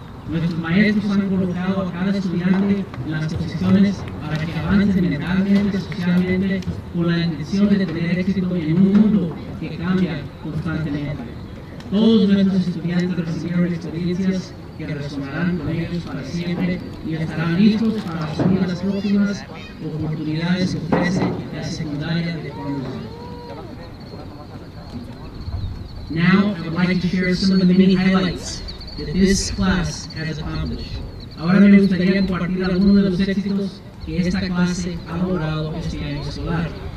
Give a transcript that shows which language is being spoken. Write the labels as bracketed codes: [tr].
[es] Nuestros maestros han colocado a cada estudiante en las posiciones para que avance mentalmente, socialmente, con la intención de tener éxito en un mundo que cambia constantemente. Todos nuestros estudiantes recibieron experiencias que resonarán con ellos para siempre y estarán listos para asumir las próximas oportunidades que ofrece la secundaria de Farmersville. [en] Now, I would like to share some of the many highlights that this class has accomplished. [es] Ahora me gustaría compartir algunos de los éxitos que esta clase ha logrado este año escolar.